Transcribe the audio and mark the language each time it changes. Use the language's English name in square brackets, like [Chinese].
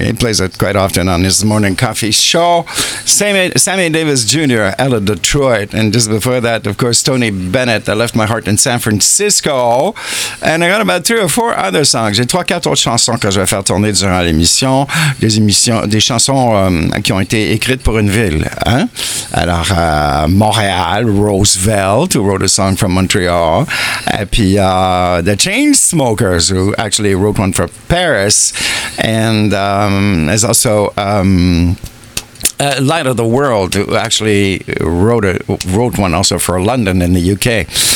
[English] He plays it quite often on his morning coffee show. Sammy Davis Jr. out of Detroit. And just before that, of course, Tony Bennett, that left my heart in San Francisco. And I got about three or four other songs. [French] J'ai trois, quatre autres chansons que je vais faire tourner durant l'émission. Des chansons qui ont été écrites pour une ville. Hein? Alors, [English] Montréal, Roosevelt, who wrote a song from Montreal. [French] Et puis, [English] The Chainsmokers, who actually wrote one from Paris. And there's also Light of the World, who actually wrote one also for London in the UK.